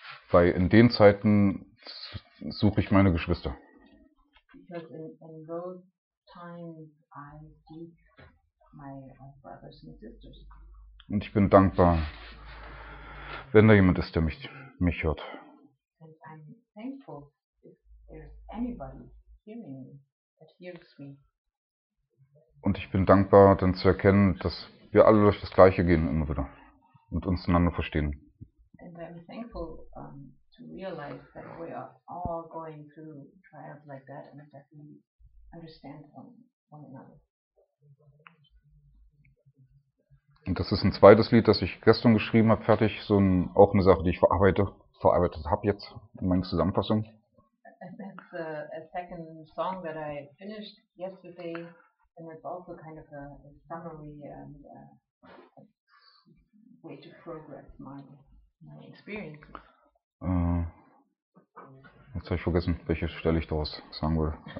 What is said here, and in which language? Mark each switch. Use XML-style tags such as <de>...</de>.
<de>Weil in den Zeiten suche ich meine Geschwister.</de> <en>In those times I seek my brothers and sisters.</en> <de>Und ich bin dankbar, wenn da jemand ist, der mich hört.</de> <en>And I'm thankful if there's anybody hearing me, that hears me.</en> <de>Und ich bin dankbar, dann zu erkennen, dass wir alle durch das Gleiche gehen immer wieder und uns einander verstehen.</de> <en>And I'm thankful to realize that we are all going through trials like that and that we understand one another.</en> <de>Und das ist ein zweites Lied, das ich gestern geschrieben habe, fertig. So auch eine Sache, die ich verarbeitet habe jetzt in meiner Zusammenfassung.</de> <en>That's a second song that I finished yesterday. And it's also kind of a summary and a way to progress my experience.</en> <de>Jetzt habe ich vergessen, welche Stelle ich daraus sagen will.</de>